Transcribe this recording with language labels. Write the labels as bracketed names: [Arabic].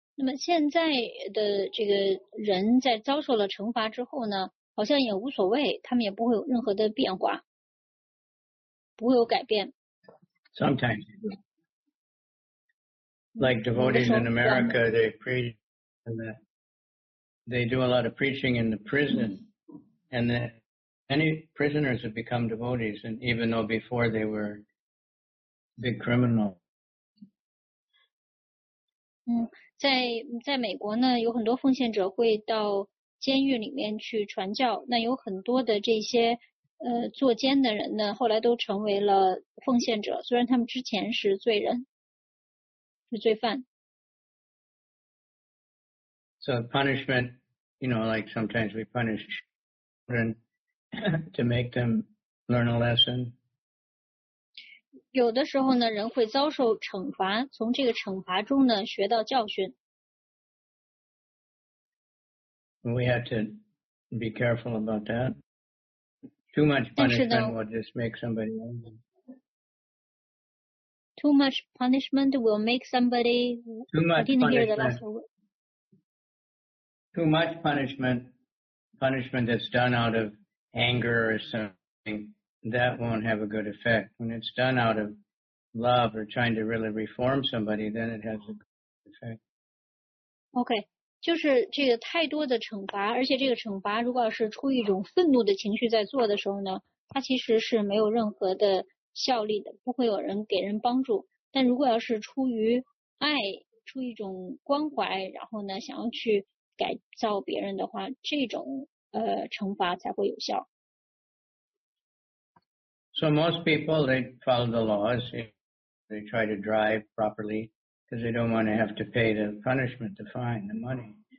[Chinese] 那么现在的这个人在遭受了惩罚之后呢，好像也无所谓，他们也不会有任何的变化，不会有改变。 [English] Sometimes, like devotees in America, they preach, they do a lot of preaching in the prison. And then any prisoners have become devotees, and even though before they were big criminals. [Chinese] 在美国呢，有很多奉献者会到监狱里面去传教。那有很多的这些坐监的人呢，后来都成为了奉献者，虽然他们之前是罪人，是罪犯。 [English] So punishment, you know, like sometimes we punish. To make them learn a lesson. [Chinese] 有的时候呢，人会遭受惩罚，从这个惩罚中呢学到教训。 [English] We have to be careful about that. Too much punishment will just make somebody angry. Too much punishment will make somebody. Too much punishment. Too much punishment. Punishment that's done out of anger or something, that won't have a good effect. When it's done out of love or trying to really reform somebody, then it has a good effect. Okay, [Chinese] 就是这个太多的惩罚，而且这个惩罚如果是出于一种愤怒的情绪在做的时候呢，它其实是没有任何的效力的，不会有人给人帮助。但如果要是出于爱，出于一种关怀，然后呢想要去改造别人的话，这种惩罚才会有效。 [English] So most people, they follow the laws. They try to drive properly because they don't want to have to pay the punishment, the fine, the money.